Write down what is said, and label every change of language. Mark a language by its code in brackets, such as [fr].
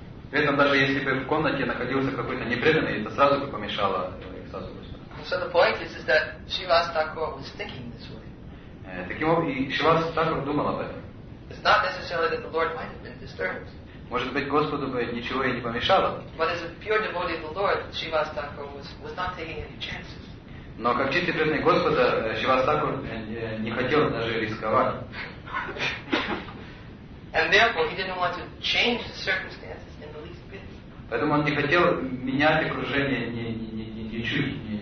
[ru] При этом даже если бы в комнате находился какой-то непреданный, это сразу бы помешало экстазу Господа. [en] So the point is that Shrivas Thakur was thinking this way. [ru] Таким образом, Шривас Тхакур думал об этом. [en] It's not necessarily that the Lord might have been disturbed. [ru] Может быть, Господу бы ничего и не помешало. [en] But as a pure devotee of the Lord, Shrivas Thakur was not taking any chances. [ru] Но как чистый преданный Господа, Шривас Тхакур не хотел даже рисковать. [en] And therefore, he didn't want to change the circumstances in the least bit. [ru] Поэтому он не хотел менять окружение ни чуть.